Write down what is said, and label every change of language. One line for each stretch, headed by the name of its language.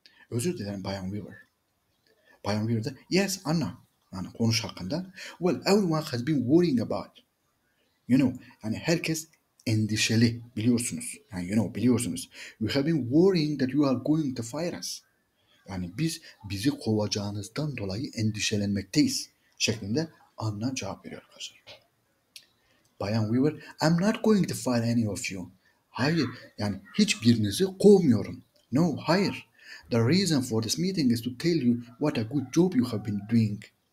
Turkish: Özür dilerim Bayan Weaver. Bayan Weaver de,
English: yes, Anna.
Turkish: Yani konuş hakkında.
English: Well, everyone has been worrying about. You know,
Turkish: yani herkes endişeli, biliyorsunuz. Yani
English: you know,
Turkish: biliyorsunuz.
English: We have been worrying that you are going to fire us.
Turkish: Yani biz bizi kovacağınızdan dolayı endişelenmekteyiz şeklinde Anna cevap veriyor arkadaşlar.
English: Bayan Weaver, I'm not going to fire any of you.
Turkish: Hayır, yani hiçbirinizi kovmuyorum.
English: No,
Turkish: hayır.
English: The reason for this meeting is to tell you what a good job you have been doing.